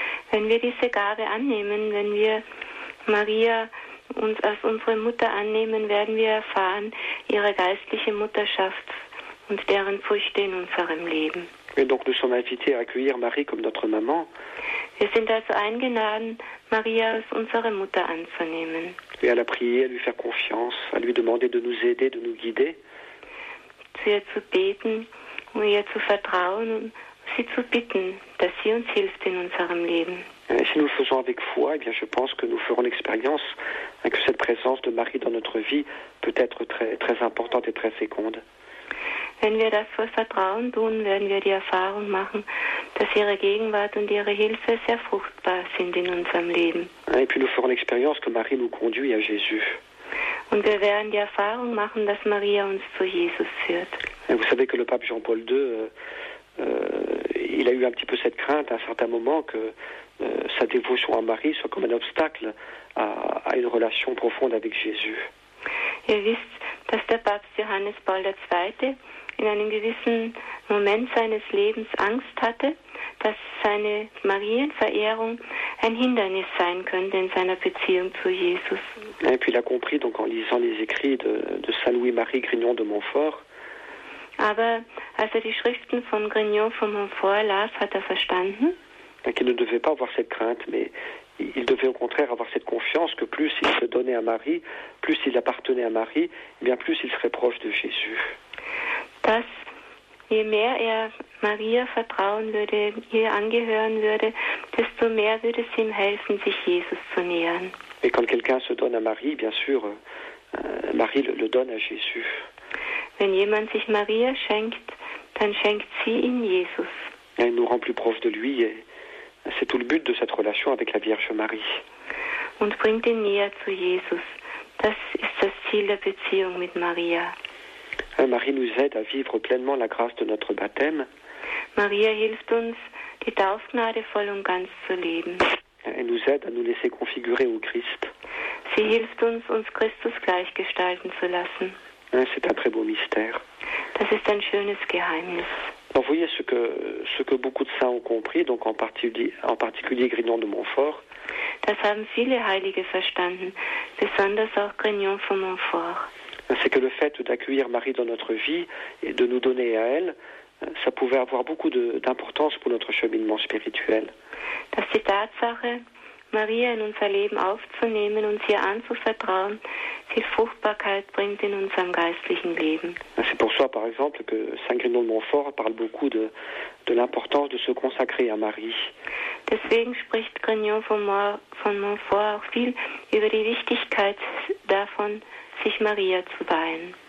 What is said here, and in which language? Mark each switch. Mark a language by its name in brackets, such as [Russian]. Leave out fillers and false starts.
[German] Wenn wir diese Gabe annehmen, wenn wir Maria uns als unsere Mutter annehmen, werden wir erfahren ihre geistliche Mutterschaft und deren Früchte in unserem Leben. [French] Et donc nous sommes invités à accueillir Marie comme notre maman. [German] Wir sind also eingeladen, Maria als unsere Mutter anzunehmen. [French] Et à la prier, à lui faire confiance, à lui demander de nous aider, de nous guider. [German] Zu ihr zu beten, um ihr zu vertrauen und sie zu bitten, dass sie uns hilft in unserem Leben. [French] Et si nous le faisons avec foi, eh bien je pense que nous ferons l'expérience que cette présence de Marie dans notre vie peut être très, très importante et très féconde. [German] Wenn wir das voll Vertrauen tun, werden wir die Erfahrung machen, dass ihre Gegenwart und ihre Hilfe sehr fruchtbar sind in unserem Leben. [French] Et puis nous ferons l'expérience que Marie nous conduit à Jésus. [German] Und wir werden die Erfahrung machen, dass Maria uns zu Jesus führt. [French] Et vous savez que le pape Jean-Paul II, il a eu un petit peu cette crainte à un certain moment que sa dévotion à Marie soit comme un obstacle à une relation profonde avec Jésus. [German] Ihr wisst, dass der Papst Johannes Paul II. In einem gewissen Moment seines Lebens Angst hatte, dass seine Marienverehrung ein Hindernis sein könnte in seiner Beziehung zu Jesus. [French] Et puis il a compris donc en lisant les écrits de Saint Louis-Marie Grignon de Montfort. [German] Aber als er die Schriften von Grignion von Montfort las, hat er verstanden, [French] qu'il ne devait pas avoir cette crainte, mais il devait au contraire avoir cette confiance que plus il se donnait à Marie, plus il appartenait à Marie, et bien plus il serait proche de Jésus. [German] Dass je mehr er Maria vertrauen würde, ihr angehören würde, desto mehr würde es ihm helfen, sich Jesus zu nähern. [French] Mais quand quelqu'un se donne à Marie, bien sûr, Marie le donne à Jésus. [German] Wenn jemand sich Maria schenkt, dann schenkt sie ihn Jesus. [French] Elle nous rend plus proche de lui, et c'est tout le but de cette relation avec la Vierge Marie. [German] Und bringt ihn näher zu Jesus. Das ist das Ziel der Beziehung mit Maria. [French] Marie nous aide à vivre pleinement la grâce de notre baptême. [German] Maria hilft uns, die Taufgnade voll und ganz zu leben. [French] Elle nous aide à nous laisser configurer au Christ. [German] Sie hilft uns, uns Christus gleichgestalten zu lassen. [French] C'est un très beau mystère. [German] Das ist ein schönes Geheimnis. [French] Vous voyez ce que beaucoup de saints ont compris, donc en particulier Grignion de Montfort. [German] Das haben viele Heilige verstanden, besonders auch Grignion von Montfort. [French] C'est que le fait d'accueillir Marie dans notre vie et de nous donner à elle, ça pouvait avoir beaucoup d'importance pour notre cheminement spirituel. [German] Dass die Tatsache, Maria in unser Leben aufzunehmen und ihr anzuvertrauen, viel Fruchtbarkeit bringt in unserem geistlichen Leben. [French] C'est pour ça, par exemple, que Saint Grignion de Montfort parle beaucoup de l'importance de se consacrer à Marie. [German] Deswegen spricht Grignion von Montfort auch viel über die Wichtigkeit davon, sich Maria zu weihen.